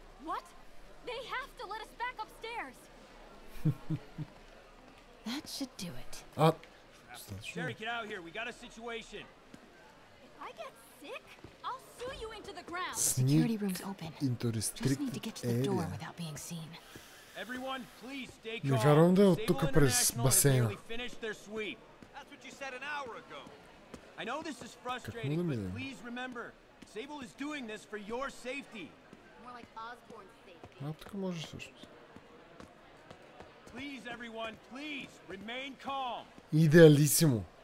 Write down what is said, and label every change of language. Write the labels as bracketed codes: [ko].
[en] What? They have to let us back upstairs. That should do it. Sherry, get out here. We got a situation. If I get sick, I'll sue you into the ground. Security room's open. Just need to get to the door without being seen. Everyone, please stay calm. [bg] Не вярвам да е от тук през басейна. [en] That's what you said an hour ago. I know this is frustrating, but please remember, Sable is doing this for your safety. More like Osborne's safety. [bg] А тук може също. [en] Please everyone, please remain calm. [bg] Идеалисимо.